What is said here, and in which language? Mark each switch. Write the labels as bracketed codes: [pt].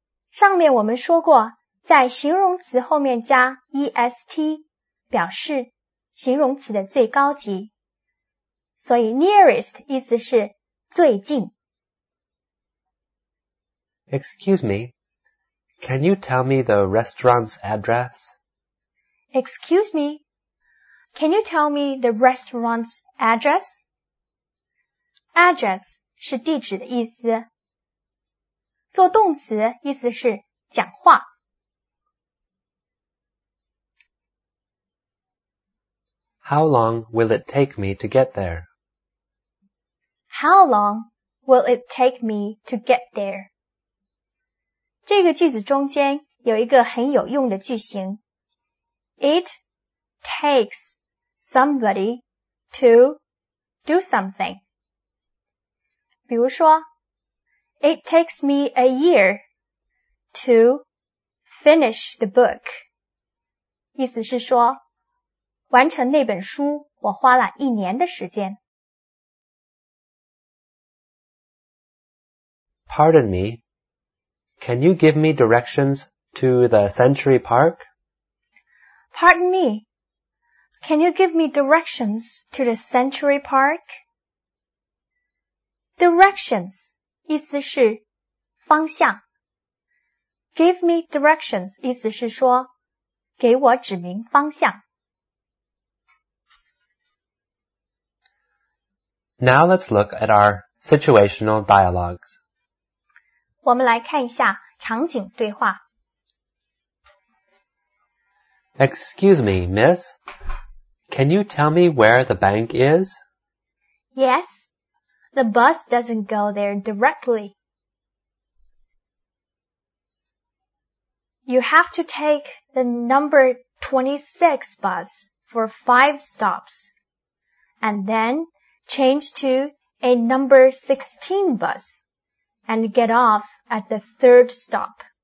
[zh] 上面我们说过在形容词后面加 est 表示形容词的最高级，所以 nearest 意思是最近。 [en] Excuse me, can you tell me the restaurant's address? Excuse me, can you tell me the restaurant's address? [zh] Address 是地址的意思，做动词意思是讲话。 [en] How long will it take me to get there? How long will it take me to get there? [zh] 这个句子中间有一个很有用的句型。 [en] It takes somebody to do something. [zh] 比如说 [en] It takes me a year to finish the book. [zh] 意思是说完成那本书，我花了一年的时间。 [en] Pardon me, can you give me directions to the Century Park? Pardon me, can you give me directions to the Century Park? Directions, [zh] 意思是方向。 [en] Give me directions, [zh] 意思是说给我指明方向。 [en] Now let's look at our situational dialogues. [zh] 我们来看一下场景对话。 [en] Excuse me, miss. Can you tell me where the bank is? Yes, the bus doesn't go there directly. You have to take the number 26 bus for 5 stops, and then change to a number 16 bus and get off at the 3rd stop.